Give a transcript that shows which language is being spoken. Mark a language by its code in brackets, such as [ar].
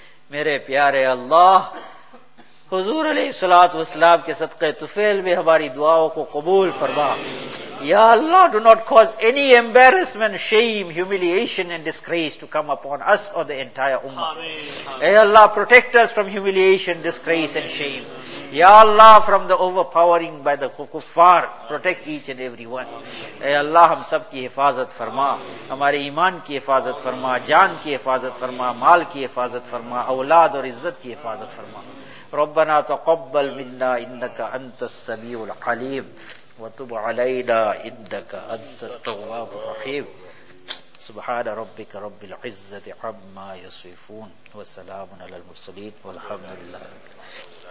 [ur] Mere pyare Allah, حضور علیہ الصلوۃ والسلام کے صدقے طفیل میں ہماری دعاؤں کو قبول فرما یا اللہ [en] do not cause any embarrassment, shame, humiliation and disgrace to come upon us or the entire ummah. اے اللہ protect us from humiliation, disgrace and shame. [ur] یا اللہ [en] from the overpowering by the kuffar, protect each and every one. [ur] اے اللہ ہم سب کی حفاظت فرما, ہمارے ایمان کی حفاظت فرما, جان کی حفاظت فرما, مال کی حفاظت فرما, اولاد اور عزت کی حفاظت فرما. [ar] ربنا تقبل منا انك انت السميع العليم وتب علينا انك انت التواب الرحيم سبحان ربك رب العزه عما يصفون وسلام على المرسلين والحمد لله